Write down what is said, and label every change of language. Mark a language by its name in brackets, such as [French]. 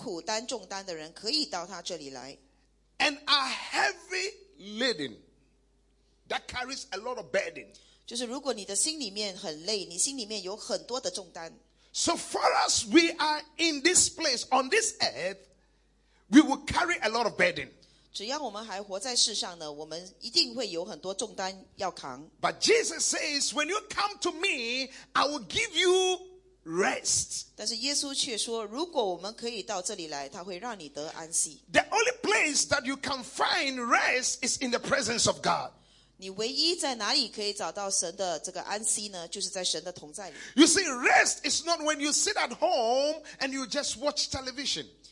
[Chinese] 所以这个经文呢,是说如果我们有劳苦担重担的人可以到他这里来。 [English] And a heavy laden that carries a lot of burden. [Chinese] 就是如果你的心里面很累,你心里面有很多的重担。 [English] So for us, we are in this place, on this earth, we will carry a lot of burden. [Chinese] 只要我们还活在世上呢,我们一定会有很多重担要扛。 [English] But Jesus says, when you come to me, I will give you rest. [Chinese] 但是耶稣却说,如果我们可以到这里来,他会让你得安息。 [English] The only place that you can find rest is in the presence of God. [Chinese] 你唯一在哪里可以找到神的这个安息呢,就是在神的同在里。 [English] You see, rest is not when you sit at home and you just watch television.